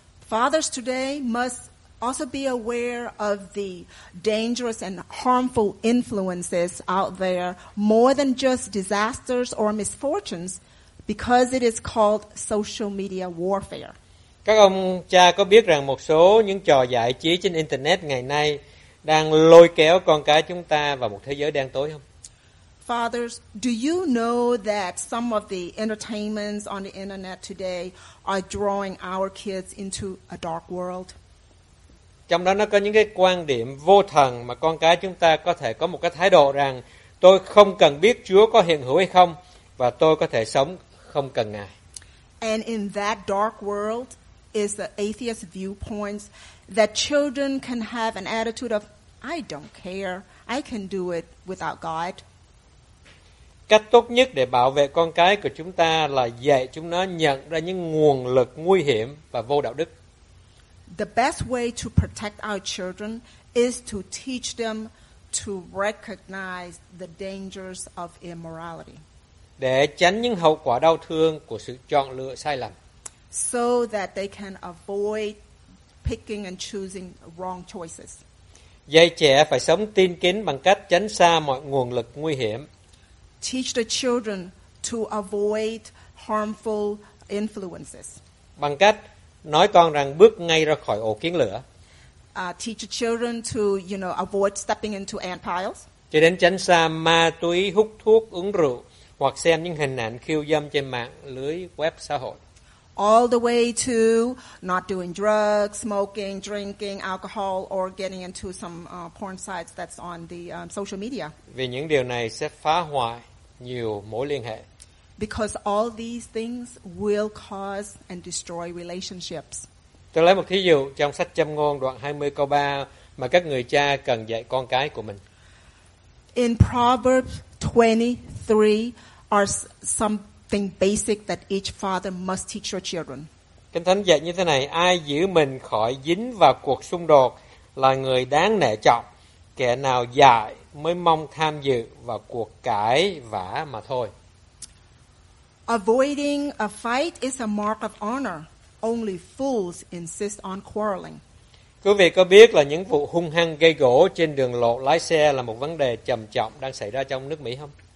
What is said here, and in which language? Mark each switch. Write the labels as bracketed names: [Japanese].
[English] Fathers today must also be aware of the dangerous and harmful influences out there, more than just disasters or misfortunes, because it is called social media warfare. [Vietnamese] Các ông cha có biết rằng một số những trò giải trí trên internet ngày nay đang lôi kéo con cái chúng ta vào một thế giới đen tối không? [English] Fathers, do you know that some of the entertainments on the internet today are drawing our kids into a dark world? [Vietnamese] Trong đó nó có những cái quan điểm vô thần mà con cái chúng ta có thể có một cái thái độ rằng tôi không cần biết Chúa có hiện hữu hay không và tôi có thể sống không cần Ngài. [English] And in that dark world is the atheist viewpoints that children can have an attitude of I don't care, I can do it without God. [Vietnamese] Cách tốt nhất để bảo vệ con cái của chúng ta là dạy chúng nó nhận ra những nguồn lực nguy hiểm và vô đạo đức. [English] The best way to protect our children is to teach them to recognize the dangers of immorality. [Vietnamese] Để tránh những hậu quả đau thương của sự chọn lựa sai lầm. [English] So that they can avoid picking and choosing wrong choices. [Vietnamese] Dạy trẻ phải sống tin kính bằng cách tránh xa mọi nguồn lực nguy hiểm. [English] Teach the children to avoid harmful influences. [Vietnamese] Bằng cách nói con rằng bước ngay ra khỏi ổ kiến lửa. [English] Teach the children to, you know, avoid stepping into ant piles. [Vietnamese] Cho đến tránh xa ma túy, hút thuốc, uống rượu hoặc xem những hình ảnh khiêu dâm trên mạng lưới web xã hội. [English] All the way to not doing drugs, smoking, drinking alcohol or getting into some porn sites that's on the social media. [Vietnamese] Vì những điều này sẽ phá hoại nhiều mối liên hệ. [English] Because all these things will cause and destroy relationships. [Vietnamese] Tôi lấy một thí dụ trong sách Châm Ngôn đoạn 20 câu 3 mà các người cha cần dạy con cái của mình. [English] In Proverbs 23 are something basic that each father must teach your children. [Vietnamese] Kinh Thánh dạy như thế này, ai giữ mình khỏi dính vào cuộc xung đột là người đáng nể trọng, kẻ nào dại mới mong tham dự vào cuộc cãi vã mà thôi. [English] Avoiding a fight is a mark of honor. Only fools insist on quarreling. [Vietnamese] Quý vị có biết là những vụ hung hăng gây gổ trên đường lộ lái xe là một vấn đề trầm trọng đang xảy ra trong nước Mỹ không?